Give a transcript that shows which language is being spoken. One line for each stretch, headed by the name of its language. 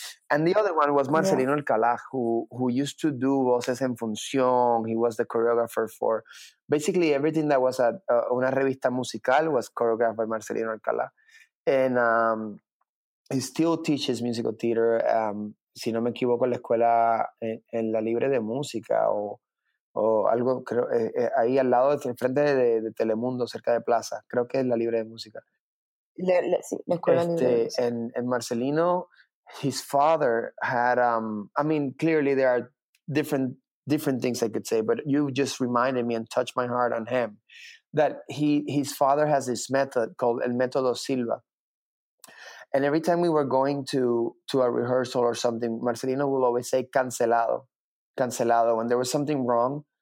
English: And the other one was Marcelino Alcalá, who used to do Voces en Función. He was the choreographer for basically everything that was at Una Revista Musical was choreographed by Marcelino Alcalá. And he still teaches musical theater.
Spanish: Si no me equivoco, la escuela en la Libre de Música o algo, creo, ahí al lado, enfrente de Telemundo, cerca de Plaza. Creo que es la Libre de Música. La escuela Libre de Música.
English: And Marcelino, his father had, clearly there are different things I could say, but you just reminded me and touched my heart on him, that his father has this method called El Método Silva. And every time we were going to a rehearsal or something, Marcelino will always say
Spanish: cancelado. Cancelado,
English: when there was something wrong